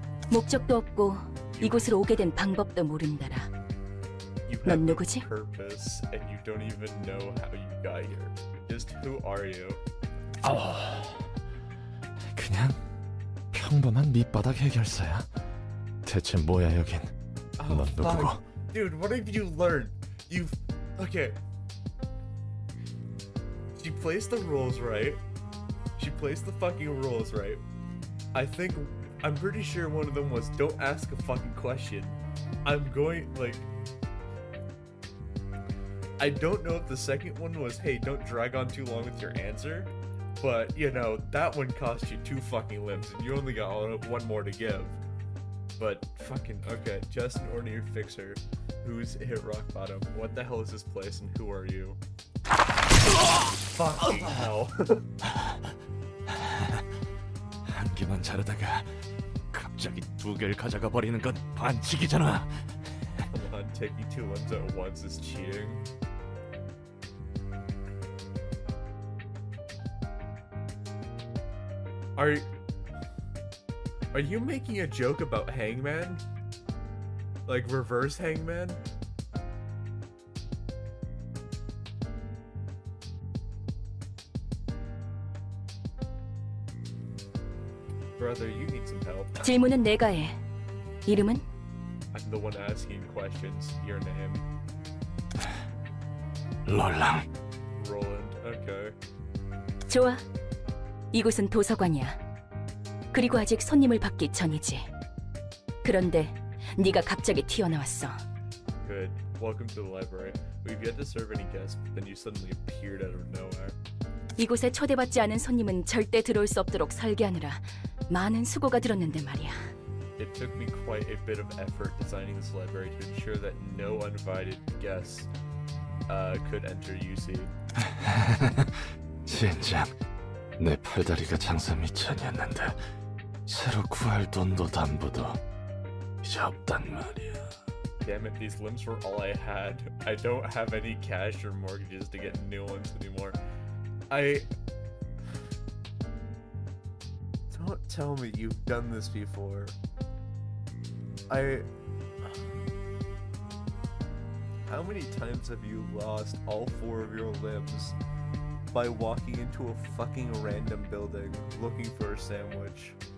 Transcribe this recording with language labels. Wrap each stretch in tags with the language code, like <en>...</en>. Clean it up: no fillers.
<ko>목적도 없고 이곳으로 오게 된 방법도 모른다라. 넌 누구지?</ko> <en>Purpose and you don't even know how you got here. Just who are you?</en> <ko>그냥 평범한 밑바닥 해결사야. 대체 뭐야 여긴? 넌 누구고?</ko> <en>Dude, what have you learned? You've... Okay. She placed the rules right. She placed the fucking rules right. I think, I'm pretty sure one of them was, don't ask a fucking question. I'm going, like, I don't know if the second one was, hey, don't drag on too long with your answer. But, you know, that one cost you two fucking limbs, and you only got one more to give. But, fucking, okay, Justin Ornier Fixer, who's hit rock bottom? What the hell is this place, and who are you? Fucking hell.</en> <ko>한 개만 자르다가 갑자기 두 개를 가져가 버리는 건 반칙이잖아.</ko> <en>Come on, taking two limbs at once is cheating. Are you making a joke about Hangman? Like reverse Hangman? Brother, you need some help.</en> <ko>질문은 내가 해. 이름은?</ko> <en>I'm the one asking questions. Your name? Roland. Roland. Okay.</en> <ko>좋아. 이곳은 도서관이야. 그리고 아직 손님을 받기 전이지. 그런데 네가 갑자기 튀어나왔어.</ko> <en>Good. Welcome to the library. We've yet to serve any guests, but then you suddenly appeared out of nowhere.</en> <ko>이곳에 초대받지 않은 손님은 절대 들어올 수 없도록 설계하느라 많은 수고가 들었는데 말이야.</ko> <en>It took me quite a bit of effort designing this library to ensure that no uninvited guests could enter UC.</en> <ko>젠장. 내 팔다리가 장사 미천이었는데 새로 구할 돈도 담보도 이제 없단 말이야.</ko> <en>Damn it, these limbs were all I had. I don't have any cash or mortgages to get new ones anymore. Don't tell me you've done this before. How many times have you lost all four of your limbs by walking into a fucking random building looking for a sandwich?</en>